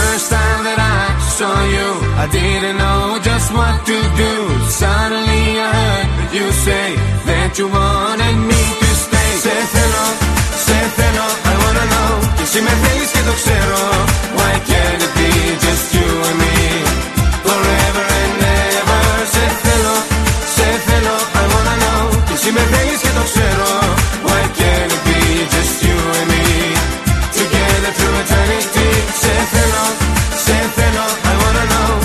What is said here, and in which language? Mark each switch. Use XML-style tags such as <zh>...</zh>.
<en>I didn't know just what to do. Suddenly I heard you say that you wanted me to stay.</en> <el>Σε θέλω, σε θέλω,</el> <en>I wanna know.</en> <el>Και εσύ με θέλεις και το ξέρω.</el> <en>Why can't it be just you and me? Forever and ever.</en> <el>Σε θέλω, σε θέλω,</el> <en>I wanna know.</en> <el>Και εσύ με θέλεις και το ξέρω.</el> <en>Why can't it be just you and me? Together through eternity.</en> <el>Σε θέλω, σε θέλω,</el> <en>I wanna know.</en>